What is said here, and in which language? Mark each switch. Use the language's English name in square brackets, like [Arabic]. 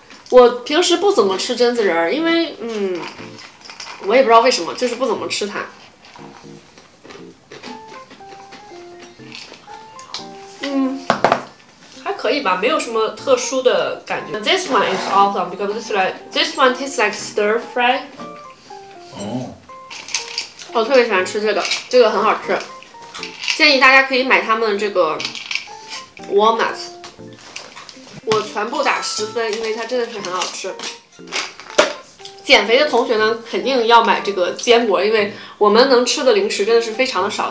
[Chinese] 我平时不怎么吃榛子仁，因为我也不知道为什么，就是不怎么吃它。可以吧，没有什么特殊的感觉。 [English] This one is awesome because this one tastes like stir fry. [Chinese] 我特别喜欢吃这个，这个很好吃。建议大家可以买他们这个 walnuts。我全部打10分，因为它真的是很好吃。减肥的同学呢，肯定要买这个坚果，因为我们能吃的零食真的是非常的少。